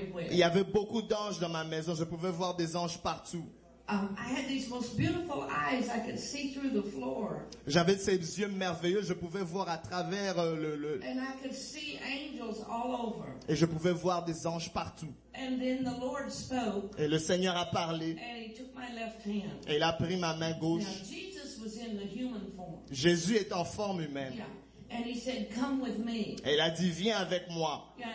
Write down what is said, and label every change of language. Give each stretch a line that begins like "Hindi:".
French: Il y avait beaucoup d'anges dans ma maison. Je pouvais voir des anges partout.
English: I had these most beautiful eyes. I could see through the floor.
French: J'avais ces yeux merveilleux. Je pouvais voir à travers le.
English: And I could see angels all over.
French: Et je pouvais voir des anges partout.
English: And then the Lord spoke.
French: Et le Seigneur a parlé.
English: And he took my left hand.
French: Et il a pris ma main gauche.
English: Now, Jesus was in the human form.
French: Jésus est en forme humaine.
English: Yeah. And he said, come with me.
French: Et il a dit, viens avec moi.